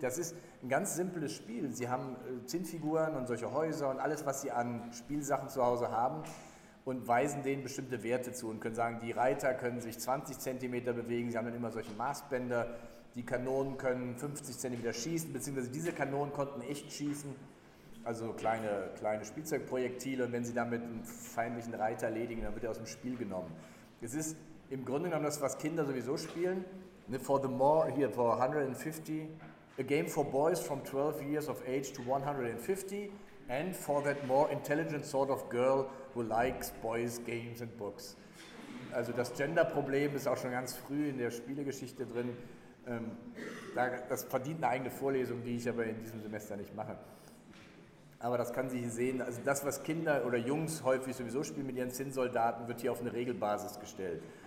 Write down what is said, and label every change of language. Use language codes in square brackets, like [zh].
[de] Das ist ein ganz simples Spiel. Sie haben Zinnfiguren und solche Häuser und alles, was Sie an Spielsachen zu Hause haben und weisen denen bestimmte Werte zu und können sagen, die Reiter können sich 20 cm bewegen. Sie haben dann immer solche Maßbänder. Die Kanonen können 50 cm schießen, beziehungsweise diese Kanonen konnten echt schießen. Also kleine Spielzeugprojektile. Und wenn Sie damit einen feindlichen Reiter erledigen, dann wird er aus dem Spiel genommen. Es ist im Grunde genommen das, was Kinder sowieso spielen. [en] For the more, here, for 150, a game for boys from 12 years of age to 150, and for that more intelligent sort of girl who likes boys, games and books. [de] Also das Gender-Problem ist auch schon ganz früh in der Spielegeschichte drin. Das verdient eine eigene Vorlesung, die ich aber in diesem Semester nicht mache. Aber das kann sich sehen, also das, was Kinder oder Jungs häufig sowieso spielen mit ihren Zinnsoldaten, wird hier auf eine Regelbasis gestellt.